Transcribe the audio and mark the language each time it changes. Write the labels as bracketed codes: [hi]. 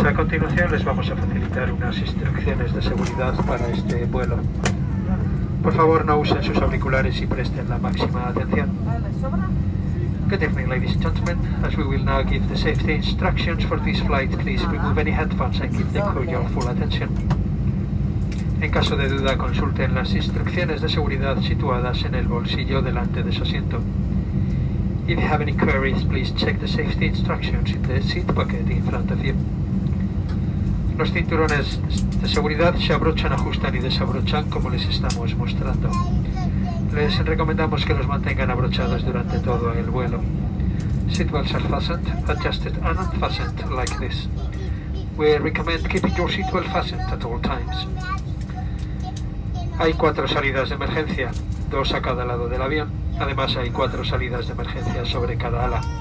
[es] A continuación les vamos a facilitar unas instrucciones de seguridad para este vuelo. Por favor, no usen sus auriculares y presten la máxima atención. [en] Good evening, ladies and gentlemen. As we will now give the safety instructions for this flight, please remove any headphones and give the crew your full attention. [es] En caso de duda, consulten las instrucciones de seguridad situadas en el bolsillo delante de su asiento. [en] If you have any queries, please check the safety instructions in the seat pocket in front of you. [es] Los cinturones de seguridad se abrochan, ajustan y desabrochan como les estamos mostrando. Les recomendamos que los mantengan abrochados durante todo el vuelo. [en] Seatbelts are fastened, adjusted and unfastened like this. We recommend keeping your seatbelt fastened at all times. [es] Hay cuatro salidas de emergencia, dos a cada lado del avión. Además hay cuatro salidas de emergencia sobre cada ala.